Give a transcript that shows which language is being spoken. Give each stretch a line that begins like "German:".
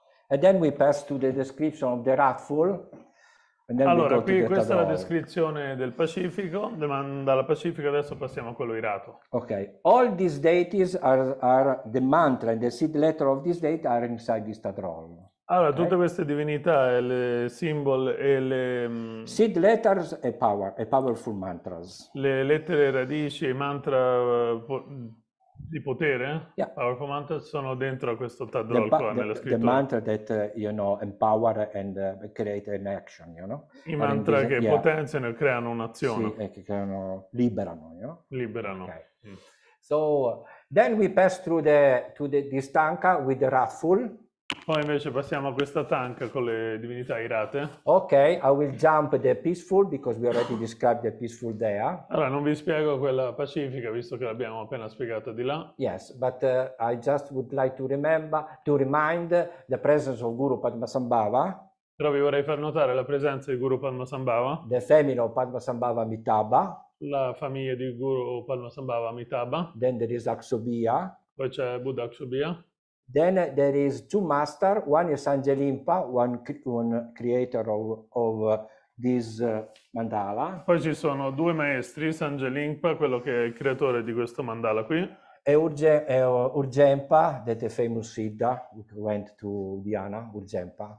English: And then we pass to the description of the wrathful. And then
Italian: allora,
English: we go
Italian: qui
English: to the
Italian: questa tadaori. È la descrizione del Pacifico. Dalla Pacifica adesso passiamo a quello irato. Ok.
English: All these deities are the mantra and the seed letter of this deity are inside this tadrol.
Italian: Allora, tutte queste divinità e le symbol e le
English: seed letters e power, e powerful mantras.
Italian: Le lettere radici e mantra di potere,
English: powerful mantras,
Italian: sono dentro a questo tadrol qua nella scrittura.
English: The mantra that, you know, empower and create an action, you know.
Italian: I mantra che potenziano e creano un'azione. Sì, e che creano, liberano,
English: you know.
Italian: Liberano. Okay.
English: So, then we pass through this tanka with the wrathful.
Italian: Poi invece passiamo a questa tanka con le divinità irate.
English: Ok, I will jump the peaceful because we already described the peaceful there.
Italian: Allora, non vi spiego quella pacifica visto che l'abbiamo appena spiegata di là.
English: Yes, but I just would like to remember, to remind the presence of Guru Padmasambhava.
Italian: Però vi vorrei far notare la presenza di Guru Padmasambhava.
English: The family of Padmasambhava Amitabha.
Italian: La famiglia di Guru Padmasambhava Amitabha.
English: Then there is Akshobhya.
Italian: Poi c'è Buddha Akshobhya.
English: Then there is two masters, one is Sanjalimpa, one creator of this mandala.
Italian: Poi ci sono due maestri, Sanjay Lingpa, quello che è il creatore di questo mandala qui,
English: e Urgyenpa, that the famous Siddha who went to Dhyana, Urgyenpa.